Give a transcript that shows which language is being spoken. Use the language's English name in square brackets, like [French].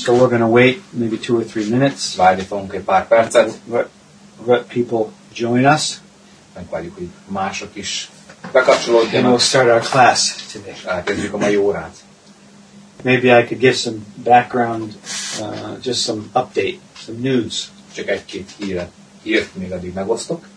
[English] So we're gonna wait maybe 2 or 3 minutes. [Hungarian] Várni fogunk egy pár percet. [English] Let people join us. [Hungarian] Megvárjuk, hogy mások is bekapcsolódjanak. [English] And we'll start our class today. [Hungarian] És elkezdjük a mai órát. [English] Maybe I could give some background, just some update, some news. [Hungarian] Csak egy-két hírt még addig megosztok.